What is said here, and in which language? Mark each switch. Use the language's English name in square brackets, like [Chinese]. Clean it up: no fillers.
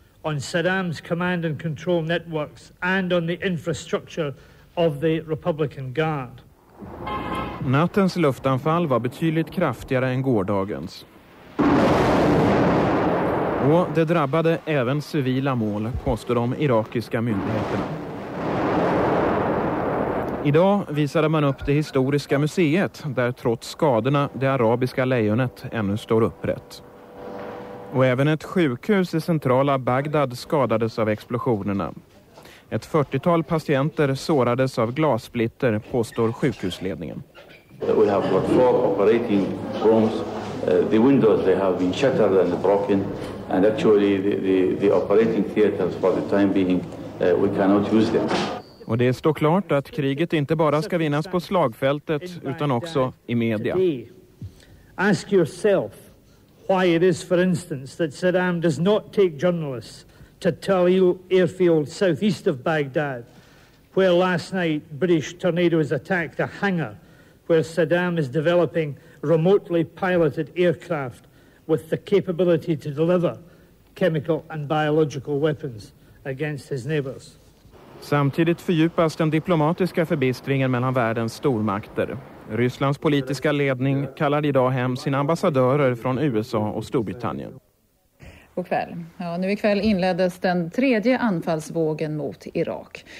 [English] on Saddam's command and control networks and on the infrastructure of the Republican Guard. [Swedish] Nattens luftanfall var betydligt kraftigare än gårdagens. Och det drabbade även civila mål, påstår de irakiska myndigheterna. Idag visade man upp det historiska museet där trots skadorna det arabiska lejonet ännu står upprätt. Och även ett sjukhus i centrala Bagdad skadades av explosionerna. Ett 40-tal patienter sårades av glassplitter, påstår sjukhusledningen. [English] We have got 4 operating rooms. The windows they have been shattered and broken, and actually the operating theaters for the time being we cannot use them. [Swedish] Och det står klart att kriget inte bara ska vinnas på slagfältet utan också i media. [English] Ask yourself why it is, for instance, that Saddam does not take journalists to Talio airfield southeast of Baghdad, where last night British tornadoes attacked a hangar where Saddam is developing remotely piloted aircraft with the capability to deliver chemical and biological weapons against his neighbors. [Swedish] Samtidigt fördjupas den diplomatiska förbistringen mellan världens stormakter. Rysslands politiska ledning kallar idag hem sina ambassadörer från USA och Storbritannien. God kväll. Ja, nu ikväll inleddes den tredje anfallsvågen mot Irak.